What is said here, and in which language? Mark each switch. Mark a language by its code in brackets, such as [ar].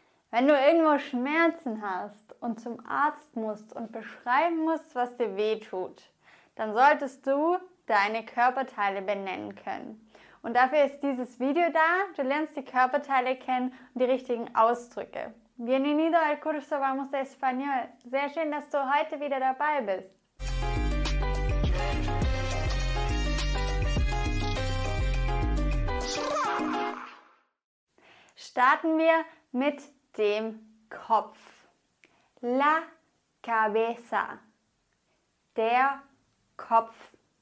[de] Wenn du irgendwo Schmerzen hast und zum Arzt musst und beschreiben musst, was dir wehtut, dann solltest du deine Körperteile benennen können. Und dafür ist dieses Video da. Du lernst die Körperteile kennen und die richtigen Ausdrücke. [es] Bienvenido al curso Vamos de Español. [de] Sehr schön, dass du heute wieder dabei bist. Starten wir mit dem Kopf. [es] La cabeza. [de] Der Kopf.